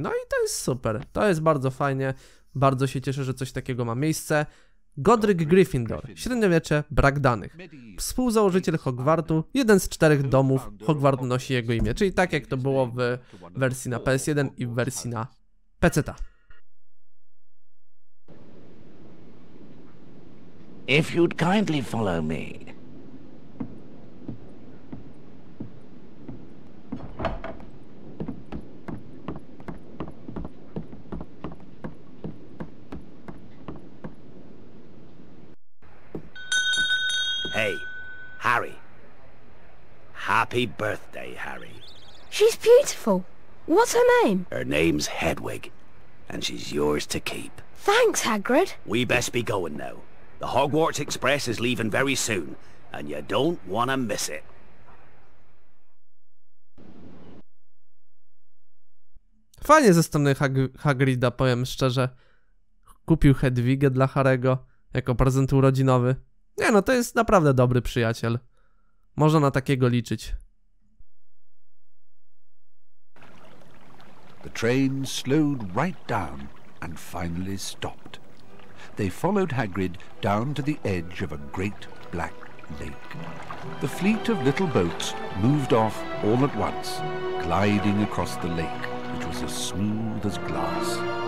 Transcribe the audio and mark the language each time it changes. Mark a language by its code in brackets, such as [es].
[pl] No i to jest super. To jest bardzo fajnie. Bardzo się cieszę, że coś takiego ma miejsce. Godric Gryffindor. Średniowiecze, brak danych. Współzałożyciel Hogwartu, jeden z czterech domów Hogwartu nosi jego imię. Czyli tak jak to było w wersji na PS1 i w wersji na peceta. [en] If you'd kindly follow me. Hey, Harry. Happy birthday, Harry. She's beautiful. What's her name? Her name's Hedwig, and she's yours to keep. Thanks, Hagrid. We best be going now. The Hogwarts Express is leaving very soon, and you don't want to miss it. [pl] Fajnie ze strony Hagrida, powiem szczerze. Kupił Hedwigę dla Harry'ego jako prezent urodzinowy. Nie no, to jest naprawdę dobry przyjaciel. Można na takiego liczyć. [en] The train slowed right down and finally stopped. They followed Hagrid down to the edge of a great black lake. The fleet of little boats moved off all at once, gliding across the lake, which was as smooth as glass.